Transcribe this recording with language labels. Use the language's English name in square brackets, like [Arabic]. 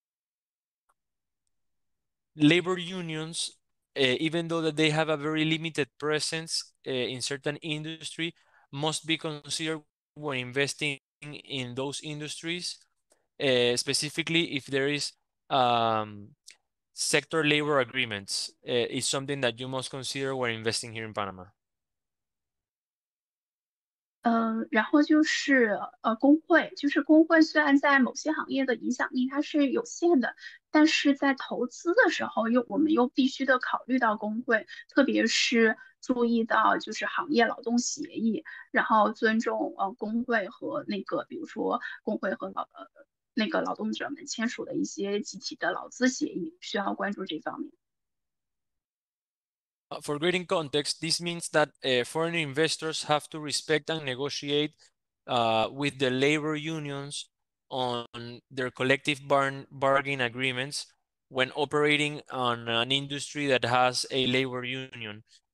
[Chinese] 外国公民也是不能够向巴拿马的一些，比如说你的政党或者说你的政治候选人捐赠现金或者是财物的，因为这样可能会影响到当地的一个政治的选举的情况。 [English] Labor unions, even though that they have a very limited presence in certain industry, must be considered when investing in those industries. Specifically, if there is sector labor agreements, is something that you must consider when investing here in Panama. [Chinese] 然后就是工会，就是工会虽然在某些行业的影响力它是有限的，但是在投资的时候又我们又必须得考虑到工会，特别是注意到就是行业劳动协议，然后尊重工会和那个比如说工会和老。那个劳动者们签署的一些集体的劳资协议，需要关注这方面。 [English] For greeting context, this means that foreign investors have to respect and negotiate with the labor unions on their collective bargaining agreements when operating on an industry that has a labor union.